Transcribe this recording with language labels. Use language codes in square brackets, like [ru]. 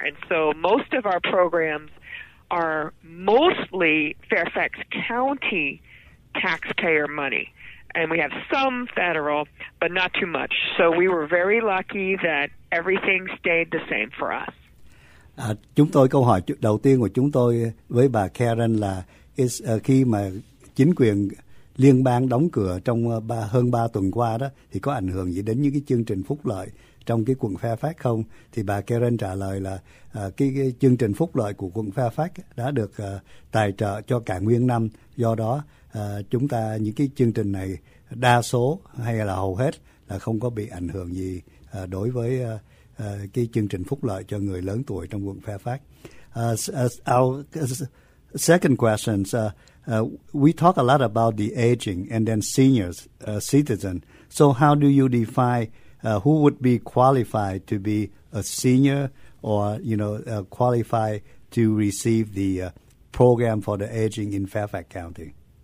[en] And so most of our programs are mostly Fairfax County taxpayer money. And we have some federal, but not too much. So we were very lucky that everything stayed the same for us. [vi] Chúng tôi, câu hỏi đầu tiên của chúng tôi với bà Karen là khi mà chính quyền liên bang đóng cửa trong hơn 3 tuần qua đó, thì có ảnh hưởng gì đến những cái chương trình phúc lợi trong cái quận Fairfax không? Thì bà Karen trả lời là cái chương trình phúc lợi của quận Fairfax đã được tài trợ cho cả nguyên năm. Do đó, chúng ta những cái chương trình này đa số hay là hầu hết là không có bị ảnh hưởng gì đối với cái chương trình phúc lợi cho người lớn tuổi trong quận Fairfax. [en] Our second question, we talk a lot about the aging and then seniors, citizen. So how do you define who would be qualified to be a senior or, you know, qualified to receive the program for the aging in Fairfax County?